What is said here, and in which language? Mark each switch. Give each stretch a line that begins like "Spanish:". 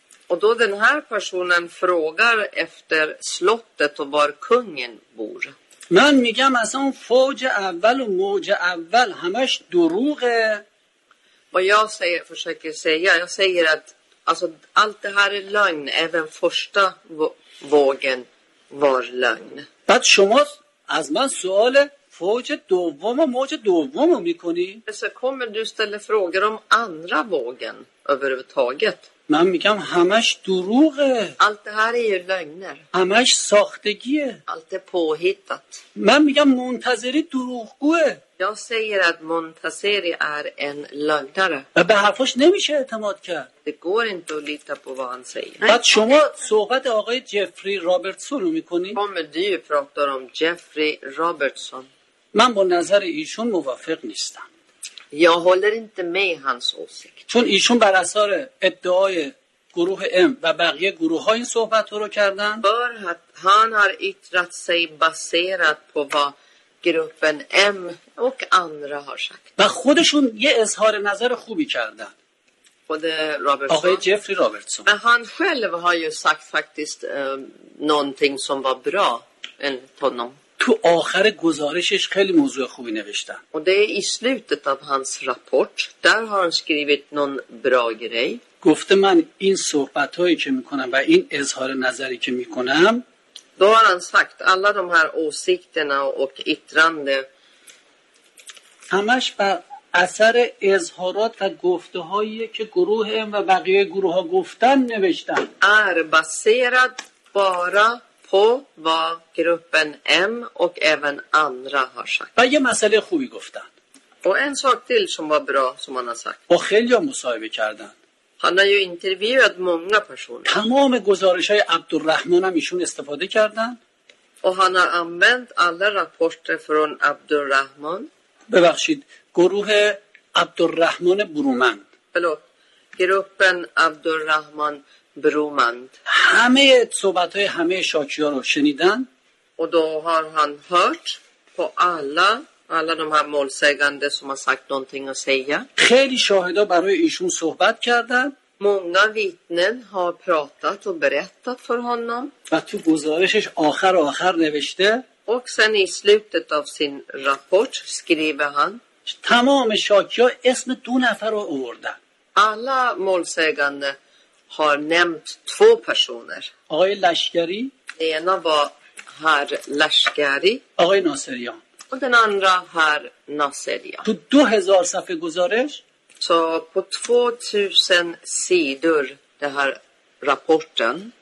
Swedish: Och då den här personen frågar efter slottet och var kungen bor.
Persian: Man migam asan fauj avval och mauj avval hamash durugh.
Swedish: Vad jag säger, försöker säga, jag säger att alltså, allt det här är lögn, även första vågen. Var lögn.
Persian: بعد شما از من سوال فوج دوم و موج دوم رو میکنی؟
Swedish: Så kommer du ställa frågor om andra vågen överhuvudtaget.
Persian: من میگم همش دروغه.
Swedish: Allt det här är ju lögner.
Persian: همش ساختگیه.
Swedish: Allt är påhittat.
Persian: من میگم منتظری دروغگوه.
Swedish: Jag säger att Montazeri är en lögnare.
Persian: و به حرفش نمیشه اعتماد کرد.
Swedish: Det går inte att lita på vad han säger.
Persian: بعد شما صحبت آقای جفری رابرتسون رو میکنی؟
Swedish: Kommer du ju prata om Jeffrey Robertson.
Persian: من با نظر ایشون موافق نیستم.
Swedish: Jag håller inte med hans åsikt.
Persian: چون ایشون بر اثر ادعای گروه ام و بقیه گروه ها این صحبت رو کردن.
Swedish: Han har yttrat sig baserat på vad gruppen M och andra har sagt.
Persian: و خودشون یه اظهار نظر خوبی کردن. خود رابرتسون. آقای جفری رابرتسون.
Swedish: و han själv har ju sagt faktiskt någonting som var bra enligt honom.
Persian: تو آخر گزارشش خیلی موضوع خوبی نوشتن.
Swedish: و det är i slutet av hans rapport. Där har han skrivit någon bra grej.
Persian: گفته من این صحبتهایی که میکنم و این اظهار نظری که میکنم.
Swedish: Då har han sagt alla de här åsikterna och yttrande.
Persian: همش بر اثر اظهارات و گفته هایی که گروه هم و بقیه گروه ها گفتن نوشتن.
Swedish: Är baserat bara på vad gruppen M och även andra har sagt.
Persian: و یه مسئله خوبی گفتن.
Swedish: Och en sak till som var bra som han har sagt.
Persian: و خیلی ها مصاحبه کردن.
Swedish: Han har ju intervjuat många personer.
Persian: تمام گزارش های عبدالرحمن هم ایشون استفاده کردن.
Swedish: Och han har använt alla rapporter från عبدالرحمن.
Persian: ببخشید گروه عبدالرحمن برومند.
Swedish: Förlåt. Gruppen عبدالرحمن برومند.
Persian: همه صحبت های همه شاکی ها رو شنیدن.
Swedish: Och då har han hört på alla de här målsägande som har sagt någonting att säga.
Persian: خیلی شاهدا برای ایشون صحبت کردن.
Swedish: Många vittnen har pratat och berättat för honom.
Persian: و تو گزارشش آخر نوشته.
Swedish: Och sen i slutet av sin rapport skriver han.
Persian: تمام شاکی ها اسم دو نفر رو آوردن.
Swedish: Alla målsägande har nämnt två personer.
Persian: آقای لشکری.
Swedish: Ena var herr Lashkari.
Persian: آقای ناصریان.
Swedish: Och den andra här Nasseria. På 2000 sidor gozarish. Så på 2000 sidor det här rapporten.